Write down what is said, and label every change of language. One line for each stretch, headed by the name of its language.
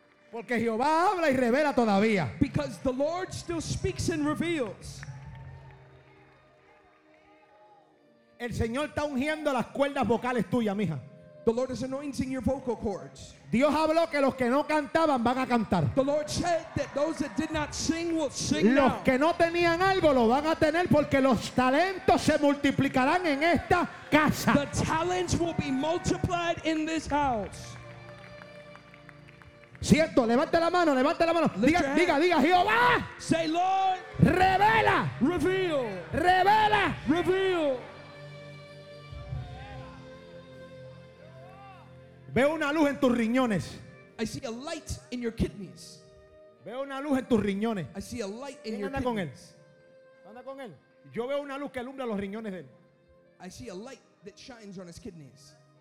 Spanish: Porque Jehová habla y revela todavía.
English: Because the Lord still speaks and reveals.
Spanish: El Señor está ungiendo las cuerdas vocales tuyas, mija.
English: The Lord is anointing your vocal cords.
Spanish: Dios habló que los que no cantaban van a cantar.
English: The Lord said that those that did not sing will sing
Spanish: los
English: now.
Spanish: Los que no tenían algo lo van a tener porque los talentos se multiplicarán en esta casa.
English: The talents will be multiplied in this house.
Spanish: Cierto, levante la mano, diga, Jehová,
English: say Lord,
Spanish: revela,
English: reveal,
Spanish: revela,
English: reveal.
Spanish: Veo una luz en tus riñones.
English: I see a light in your kidneys.
Spanish: Veo una luz en tus riñones.
English: I see a light in your
Spanish: ¿Quién anda con él? ¿Anda con él? Yo veo una luz que alumbra los riñones de él.
English: I see a light that shines on his kidneys.